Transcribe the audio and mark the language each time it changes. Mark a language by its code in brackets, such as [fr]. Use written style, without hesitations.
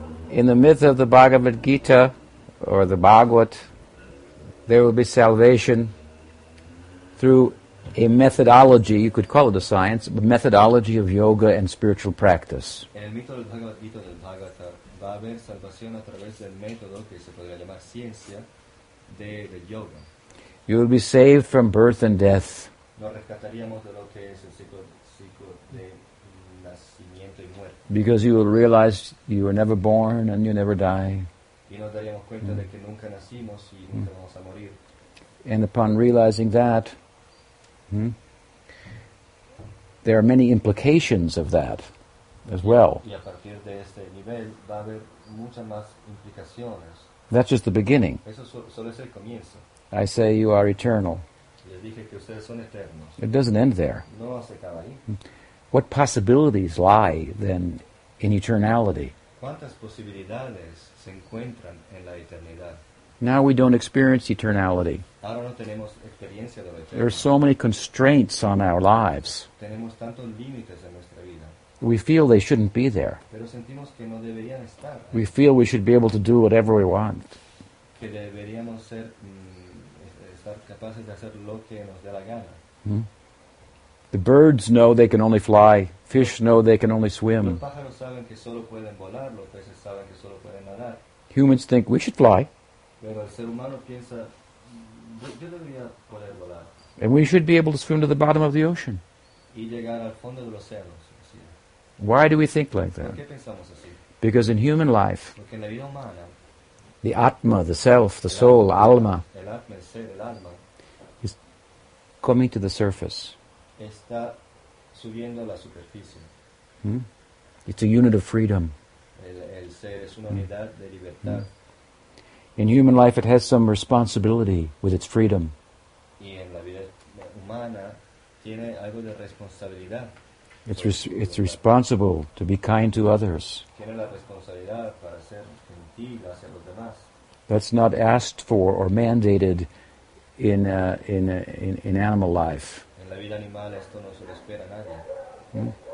[en] In the myth of the Bhagavad Gita, or the Bhagavat, there will be salvation through a methodology, you could call it a science, a methodology of yoga and spiritual practice. [es] En el mito del Bhagavad Gita del Bhagavata va a haber salvación a través del método que se podría llamar ciencia de yoga. [en] You will be saved from birth and death. [es] Nos rescataríamos de lo que es el ciclo de nacimiento y muerte. [en] Because you will realize you were never born and you never die. [es] Y nos daríamos cuenta de que nunca nacimos y nunca vamos a morir. [en] And upon realizing that, there are many implications of that as well. [es] Y a partir de este nivel va a haber muchas más implicaciones. [en] That's just the beginning. [es] Eso solo es el comienzo. [en] I say you are eternal. [es] Les dije que ustedes son eternos. [en] It doesn't end there. [es] No se acaba ahí. [en] What possibilities lie then in eternality? [es] ¿Cuántas posibilidades se encuentran en la eternidad? [en] Now we don't experience eternality. [es] Ahora no tenemos experiencia de la eternidad. [en] There are so many constraints on our lives. [es] Tenemos tantos límites en nuestra vida. [en] We feel they shouldn't be there. [es] Pero sentimos que no deberían estar. [en] We feel we should be able to do whatever we want. [es] Que deberíamos ser, estar capaces de hacer lo que nos dé la gana. [en] The birds know they can only fly. Fish know they can only swim. [es] Los pájaros saben que solo pueden volar. Los peces saben que solo pueden nadar. [en] Humans think we should fly. [es] Pero el ser humano piensa, yo debería poder volar. [en] And we should be able to swim to the bottom of the ocean. [es] Y llegar al fondo de los océanos, así. [en] Why do we think like that? [es] ¿Por qué pensamos así? [en] Because in human life, [es] porque en la vida humana, [en] the Atma, the Self, the Soul, [es] Atma, Alma, el Atma, el ser, el Alma, [en] is coming to the surface. [es] Está subiendo a la superficie. [en] It's a unit of freedom. [es] El ser es una unidad de libertad. [en] In human life, it has some responsibility with its freedom. [es] Y en la vida humana, tiene algo de responsabilidad. [en] It's responsible to be kind to others. [es] Tiene la responsabilidad para ser gentil hacia los demás. [en] That's not asked for or mandated in animal life. [es] En la vida animal, esto no se lo espera nadie.